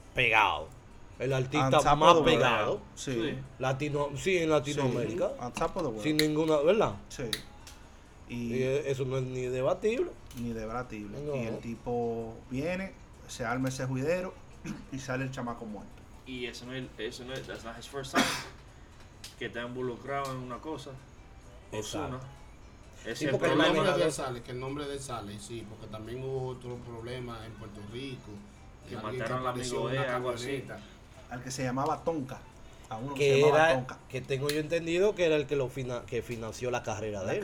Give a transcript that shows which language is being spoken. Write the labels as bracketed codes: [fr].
[es] Pegado. El artista más pegado. Sí. En Latinoamérica. Sí. [en] On top of the world. [es] Sin ninguna, ¿verdad? Sí. Y eso no es ni debatible. No. Y el tipo viene, se arma ese juidero y sale el chamaco muerto. Y eso no es, [en] that's not his first time. [es] Que está involucrado en una cosa. Ozuna. Sí, porque el nombre de él sale, sí, porque también hubo otro problema en Puerto Rico. Que mataron al amigo de algo así. Al que se llamaba Tonka. A uno que se llamaba Tonka. Que tengo yo entendido que era el que financió la carrera de él.